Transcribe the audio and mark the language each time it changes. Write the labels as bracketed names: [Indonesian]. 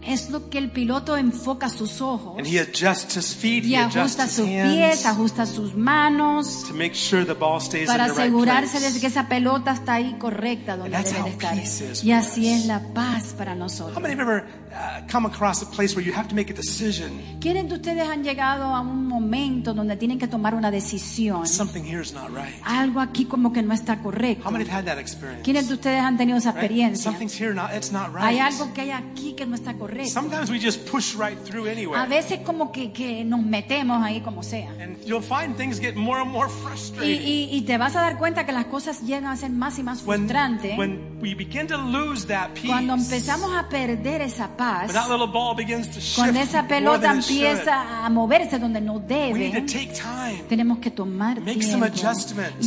[Spanish] Es lo que el piloto enfoca sus ojos. [English] And he adjusts his feet, [Spanish] y ajusta sus pies, ajusta sus manos, [English] to make sure the ball stays [Spanish] para asegurarse [English] in the right place. [Spanish] De que esa pelota está ahí correcta donde debe estar. [English] And that's how peace is for us. [Spanish] Y así es la paz para nosotros. [English] How many have ever come across a place where you have to make a decision? [Spanish] ¿Quiénes de ustedes han llegado a un momento donde tienen que tomar una decisión? [English] Something here is not right. [Spanish] Algo aquí como que no está correcto. [English] How many have had that experience? [Spanish] ¿Quiénes de ustedes han tenido esa experiencia? [English] Right? Something's here, not, it's not right. [Spanish] Hay algo que hay aquí que no está correcto. [English] Sometimes we just push right through anyway. [Spanish] A veces como que nos metemos ahí como sea. [English] And you'll find things get more and more frustrating. [Spanish] Y te vas a dar cuenta que las cosas llegan a ser más y más frustrantes. [English] When we begin to lose that peace, [Spanish] cuando empezamos a perder esa paz, [English] when that little ball begins to shift, [Spanish] cuando esa pelota empieza a moverse donde no debe, [English] we need to take time, [Spanish] tenemos que tomar [English] make [Spanish] tiempo [English] some adjustments,